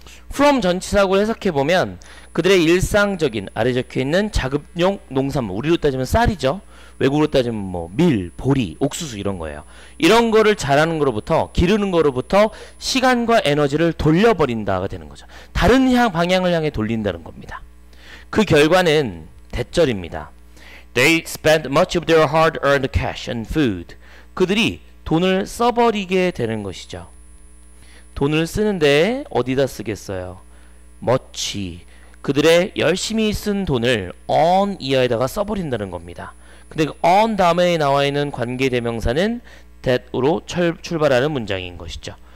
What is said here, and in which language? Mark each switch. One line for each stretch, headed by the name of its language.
Korean: from 전치사구를 해석해보면 그들의 일상적인 아래 적혀있는 자급용 농산물, 우리로 따지면 쌀이죠. 외국으로 따지면 뭐 밀, 보리, 옥수수 이런 거예요. 이런 거를 자라는 거로부터, 기르는 거로부터 시간과 에너지를 돌려버린다가 되는 거죠. 다른 향, 방향을 향해 돌린다는 겁니다. 그 결과는 대절입니다.
English: They spend much of their hard-earned cash and food.
Korean: 그들이 돈을 써버리게 되는 것이죠. 돈을 쓰는데 어디다 쓰겠어요?
English: Much.
Korean: 그들의 열심히 쓴 돈을 on 이하에다가 써버린다는 겁니다. 근데 그 on 다음에 나와있는 관계대명사는 that으로 출발하는 문장인 것이죠.